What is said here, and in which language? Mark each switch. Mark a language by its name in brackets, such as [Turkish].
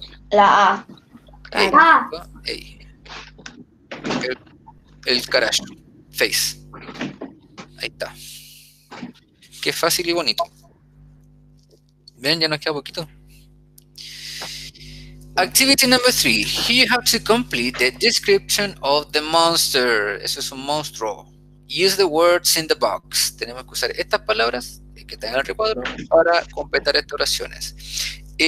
[Spanish] La A. Ey. El carajo. Face. Ahí está. Qué fácil y bonito. ¿Ven? Ya nos queda poquito. [English] Activity number 3. Here you have to complete the description of the monster. [Spanish] Eso es un monstruo. [English] Use the words in the box. [Spanish] Tenemos que usar estas palabras que están en el recuadro para completar estas oraciones.